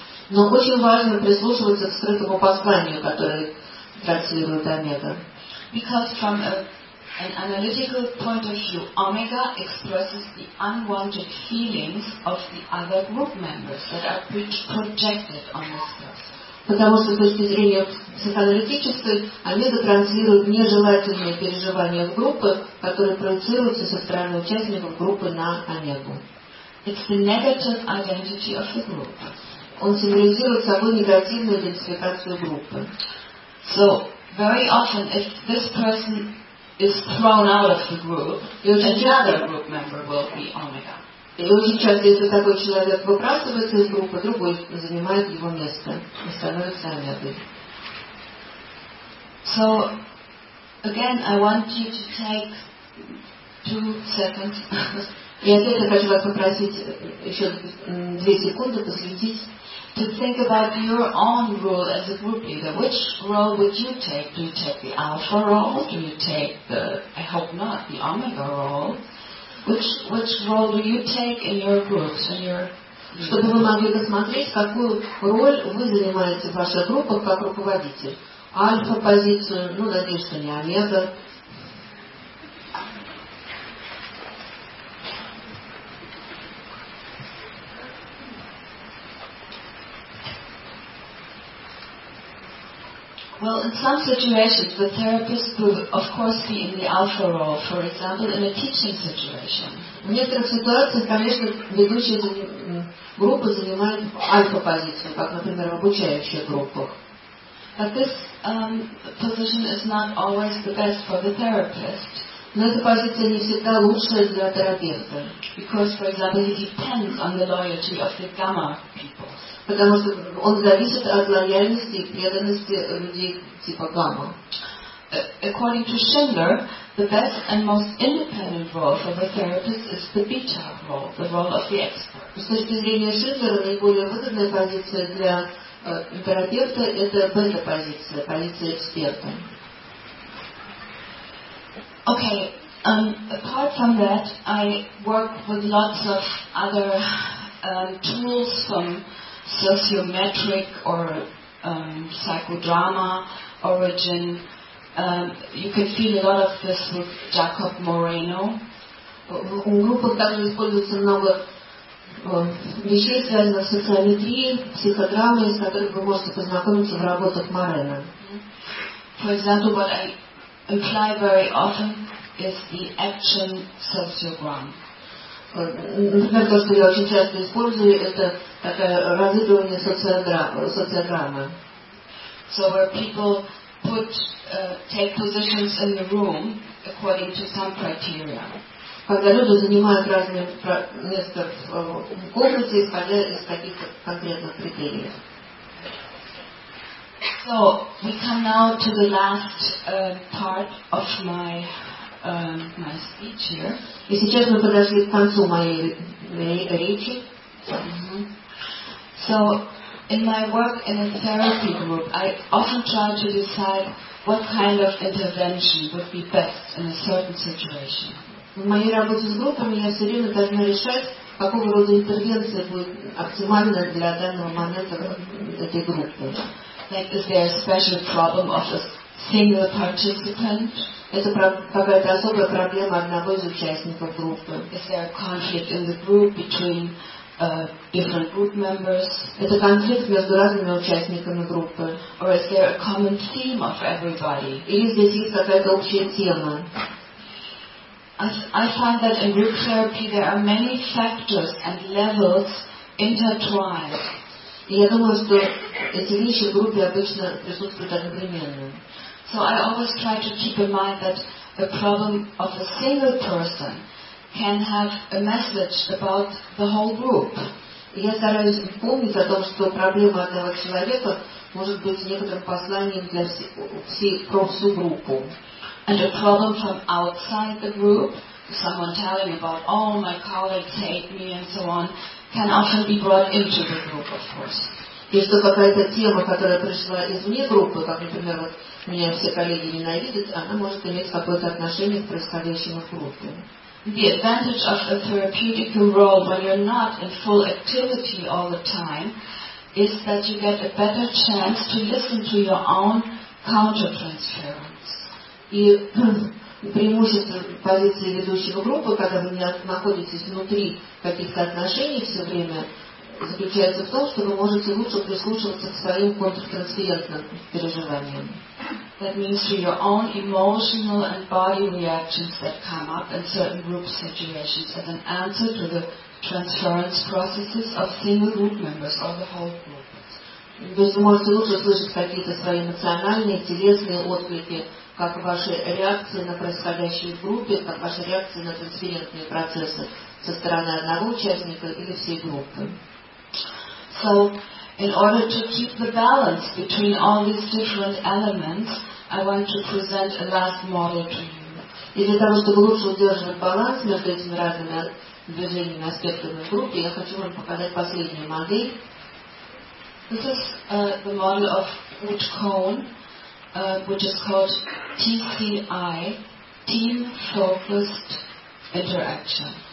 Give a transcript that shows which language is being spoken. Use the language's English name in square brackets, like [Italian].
[Russian] Но очень важно прислушиваться к скрытому посланию, которое транслирует Омега. [English] Because from an analytical point of view, Omega expresses the unwanted feelings of the other group members that are projected on this person. [Russian] Потому что с точки зрения психоаналитической Омега транслирует нежелательные переживания группы, которые проецируются со стороны участников группы на Омегу. [English] It's the negative identity of the group. [Russian] Он символизирует собой негативную идентификацию группы. [English] So, very often, if this person is thrown out of the group, another group member will be Omega. [Russian] И очень часто, если такой человек выбрасывается из группы, другой занимает его место и становится Омегой. [English] So, again, I want you to take 2 seconds. [Russian] И опять я хочу вас попросить еще 2 секунды посвятить. [English] To think about your own role as a group leader. Which role would you take? Do you take the alpha role? Do you take the, I hope not, the omega role? Which role do you take in your groups? In your [Russian] Чтобы вы могли посмотреть, какую роль вы занимаете в ваших группах как руководитель. Альфа-позицию, ну, надеюсь, что не омега. [English] Well, in some situations, the therapist will, of course, be in the alpha role, for example, in a teaching situation. [Russian] В некоторых ситуациях, конечно, ведущая группа занимает альфа-позицию, как, например, в обучающих группах. [English] But this position is not always the best for the therapist. [Russian] Но эта позиция не всегда лучшая для терапевта. [English] Because, for example, it depends on the loyalty of the gamma people. [Russian] Потому что он зависит от лояльности и преданности людей типа гамма. [English] According to Schindler, the best and most independent role for the therapist is the beta role, the role of the expert. [Russian] С точки зрения Шиндлера, наиболее выгодная позиция для терапевта – это бета-позиция, позиция эксперта. [English] Okay, apart from that, I work with lots of other tools from sociometric or psychodrama origin. You can feel a lot of this with Jacob Moreno. [Russian] У группы также используется много вещей, связанных с социометрией, психодрамой, с которыми вы можете познакомиться в работах Морено. [English] For example, what I imply very often is the action sociogram. [Russian] Например, то, что я очень часто использую, это такое разыгрывание социограммы. [English] So where people put, take positions in the room according to some criteria. [Russian] Когда люди занимают разные места в комнате, исходя из каких-то конкретных критерий. [English] So we come now to the last part of my speech here. [Russian] И сейчас мы подошли к концу моей речи. [English] So, in my work in a therapy group, I often try to decide what kind of intervention would be best in a certain situation. [Russian] В моей работе с группами я все время должна решать, какого рода интервенция будет оптимальна для данного момента этой группы. [English] Like, is there a special problem of a single participant? [Russian] Это какая-то особая проблема одного из участников группы. [English] Is there a conflict in the group between different group members? [Russian] Это конфликт между разными участниками группы. [English] Or is there a common theme of everybody? [Russian] Или здесь есть какая-то общая тема? [English] I find that in group therapy there are many factors and levels intertwined. [Russian] И я думаю, что эти вещи в группе обычно присутствуют одновременно. [English] So I always try to keep in mind that the problem of a single person can have a message about the whole group. [Russian] Я стараюсь помнить о том, что проблема одного человека может быть некоторым посланием для всей группы. [English] And a problem from outside the group, someone telling about, oh, my colleagues hate me and so on, can often be brought into the group, of course. [Russian] И что какая-то тема, которая пришла извне группы, как, например, вот меня все коллеги ненавидят, она может иметь какое-то отношение к происходящему в группе. [English] The advantage of a therapeutic role when you're not in full activity all the time is that you get a better chance to listen to your own counter-transference. [Russian] И преимущество позиции ведущего группы, когда вы не находитесь внутри каких-то отношений все время, заключается в том, что вы можете лучше прислушиваться к своим контртрансферентным переживаниям. [English] That means to your own emotional and body reactions that come up in certain group situations as an answer to the transference processes of single group members or the whole group. [Russian] То есть вы можете лучше слышать какие-то свои эмоциональные, телесные отклики, как ваши реакции на происходящие в группе, как ваши реакции на трансферентные процессы со стороны одного участника или всей группы. [English] So, in order to keep the balance between all these different elements, I want to present a last model to you. [Russian] И для того, чтобы лучше удерживать баланс между этими разными движениями, аспектами группы, я хочу вам показать последнюю модель. [English] This is the model of Rich Cohn, which is called TCI, Team Focused Interaction.